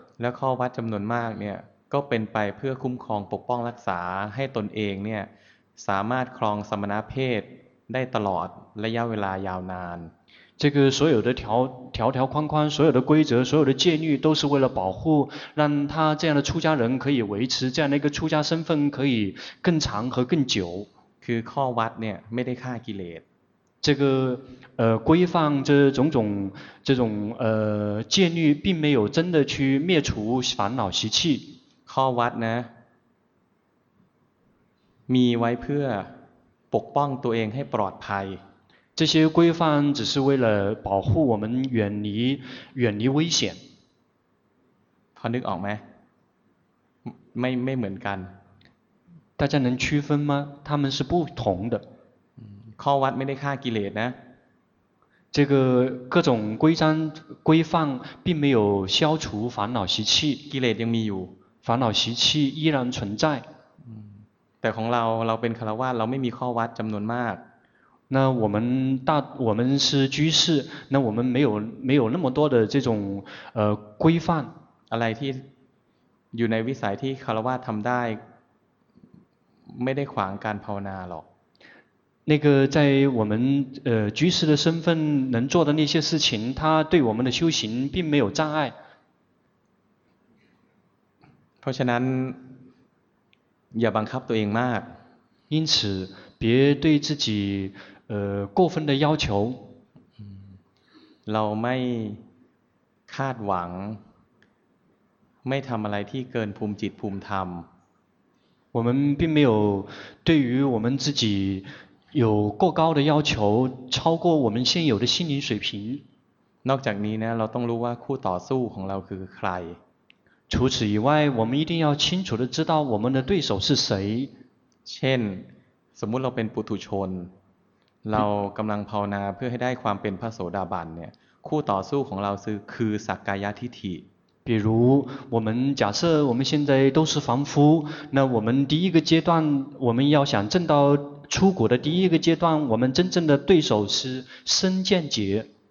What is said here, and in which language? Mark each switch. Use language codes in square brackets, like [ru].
[th] และข้อวัดจำนวนมากเนี่ยก็เป็นไปเพื่อคุ้มครองปกป้องรักษาให้ตนเองเนี่ยสามารถครองสมณเพศได้ตลอดระยะเวลายาวนาน [zh] 这个所有的条条框框所有的规则所有的戒律都是为了保护让他这样的出家人可以维持这样的一个出家身份可以更长和更久 [th] คือข้อวัดเนี่ยไม่ได้ฆ่ากิเลส [zh] 这个规范这种种这种戒律并没有真的去灭除烦恼习气 [th] ข้อวัดนะมีไว้เพื่อปกป้องตัวเองให้ปลอดภัย [zh] 这些规范只是为了保护我们远离危险。 [th] พอนึกออกไหมไม่เหมือนกัน [zh] 大家能区分吗他们是不同的 [th] ข้อวัดไม่ได้ฆ่ากิเลสนะ [zh] 这个各种规章规范并没有消除烦恼习气 [th] กิเลสยังมีอยู่ [zh] 烦恼习气依然存在 [th] แต่ของเราเป็นฆราวาสเราไม่มีข้อวัดจำนวนมาก [zh] 那我们是居士那我们没有那么多的这种规范 [th] อะไรที่อยู่ในวิสัยที่ฆราวาสทำได้ไม่ได้ขวางการภาวนาหรอก [zh] 那个在我们居士的身份能做的那些事情它对我们的修行并没有障碍 [th] เพราะฉะนั้นอย่าบังคับตัวเองมาก [zh] 因此别对自己过分的要求 [th] เราไม่คาดหวังไม่ทำอะไรที่เกินภูมิจิตภูมิธรรม [zh] 我们并没有对于我们自己有过高的要求超过我们现有的心灵水平 [th] นอกจากนี้นะเราต้องรู้ว่าคู่ต่อสู้ของเราคือใคร [zh] 除此以外我们一定要清楚地知道我们的对手是谁 [th] เช่นสมมุติเราเป็นปุถุชนเรากำลังภาวนาเพื่อให้ได้ความเป็นพระโสดาบันเนี่ยคู่ต่อสู้ของเราคือสักกายทิฏฐิ [zh] 比如我们假设我们现在都是凡夫那我们第一个阶段我们要想证到出果的第一个阶段我们真正的对手是身见解